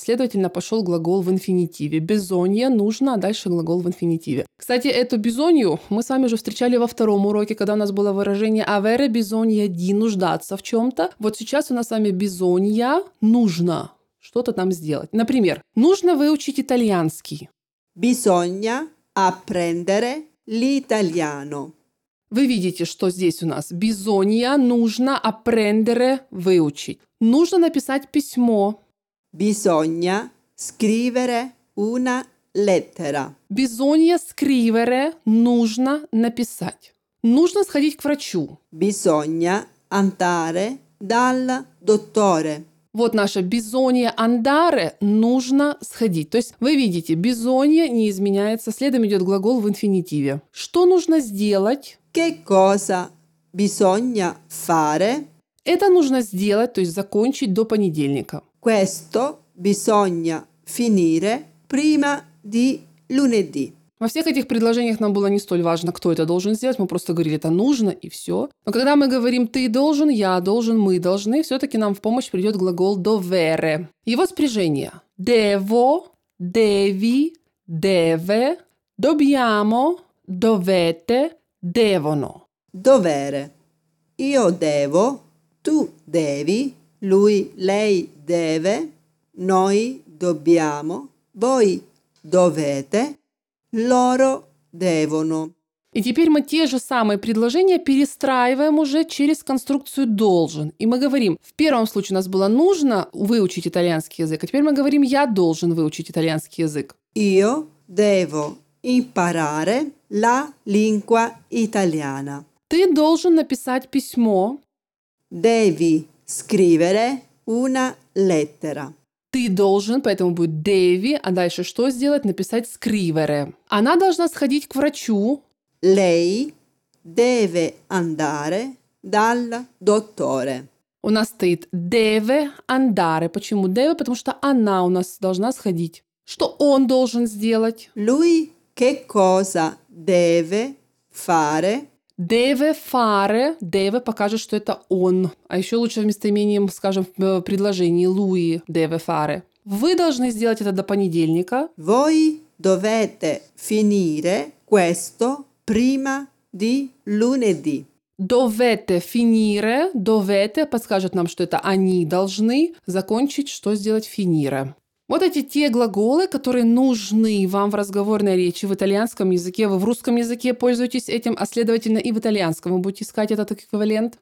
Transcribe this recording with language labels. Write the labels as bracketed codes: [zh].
[ru] Следовательно, пошел глагол в инфинитиве. Bisogna, нужно, а дальше глагол в инфинитиве. Кстати, эту bisogna мы с вами уже встречали во втором уроке, когда у нас было выражение [it] avere bisogna di, [ru] нуждаться в чем-то. Вот сейчас у нас с вами bisogna, нужно что-то там сделать. Например, нужно выучить итальянский. [it] Bisogna apprendere l'italiano. [ru] Вы видите, что здесь у нас bisogna, нужно apprendere, выучить. Нужно написать письмо. [it] Bisogna scrivere una lettera. Bisogna scrivere, [ru] нужно написать. Нужно сходить к врачу. [it] Bisogna andare dal dottore. [ru] Вот наше [it] bisogna andare, [ru] нужно сходить. То есть вы видите, bisogna не изменяется, следом идет глагол в инфинитиве. Что нужно сделать? [it] Che cosa bisogna fare? [ru] Это нужно сделать, то есть закончить до понедельника. [it] Questo bisogna finire prima di lunedì. [ru] Во всех этих предложениях нам было не столь важно, кто это должен сделать, мы просто говорили, это нужно, и все. Но когда мы говорим «ты должен», «я должен», «мы должны», все-таки нам в помощь придет глагол «dovere». Его спряжение. [it] Devo, devi, deve, dobbiamo, dovete, devono. Dovere. Io devo, tu devi, lui, lei deve, noi dobbiamo, voi dovete. Loro devono. [ru] И теперь мы те же самые предложения перестраиваем уже через конструкцию должен. И мы говорим, в первом случае у нас было нужно выучить итальянский язык, а теперь мы говорим, я должен выучить итальянский язык. [it] Io devo imparare la lingua italiana. [ru] Ты должен написать письмо. [it] Devi scrivere una lettera. [ru] Ты должен, поэтому будет devi, а дальше что сделать? Написать scrivere. Она должна сходить к врачу. [it] Lei deve andare dal dottore. [ru] У нас стоит [it] deve andare. [ru] Почему deve? Потому что она у нас должна сходить. Что он должен сделать? [it] Lui che cosa deve fare? Deve fare. [ru] Deve покажет, что это он. А еще лучше местоимением, скажем, в предложении. [it] Lui deve fare. [ru] Вы должны сделать это до понедельника. [it] Voi dovete finire questo prima di lunedì. Dovete finire. [ru] Dovete подскажет нам, что это они должны закончить, что сделать finire. Вот эти те глаголы, которые нужны вам в разговорной речи в итальянском языке. Вы в русском языке пользуетесь этим, а следовательно и в итальянском вы будете искать этот эквивалент.